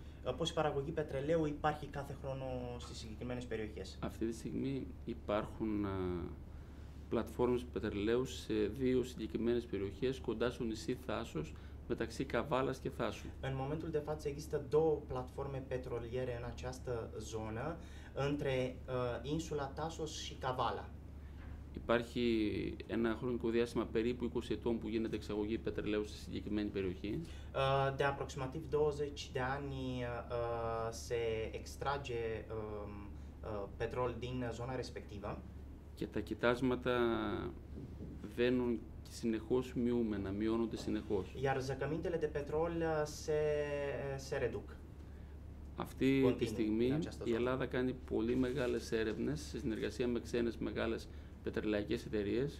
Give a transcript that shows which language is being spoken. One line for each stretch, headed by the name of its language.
Greek: πώς η παραγωγή πετρελαίου υπάρχει κάθε χρόνο στις συγκεκριμένες περιοχές. Αυτή τη στιγμή υπάρχουν πλατφόρμες πετρελαίου σε δύο συγκεκριμένες περιοχές κοντά στο νησί Θάσος, μεταξύ Καβάλας και Θάσου.
Romanian: În momentul de față există două platforme petroliere în această zonă, între insula Thasos și Καβάλα.
Greek: Υπάρχει ένα χρονικό διάστημα περίπου 20 ετών που γίνεται εξαγωγή πετρελαίου στη συγκεκριμένη περιοχή.
Romanian: De aproximativ 20 de ani se extrage petrol din zona respectivă.
Greek: Και τα κοιτάσματα βαίνουν συνεχώς μειούμενα, μειώνονται συνεχώς.
Romanian: Iar zăcămintele de petrol se reduc.
Greek: Αυτή continue τη στιγμή η Ελλάδα κάνει πολύ μεγάλες έρευνες σε συνεργασία με ξένες μεγάλες πετρελαϊκές εταιρείες.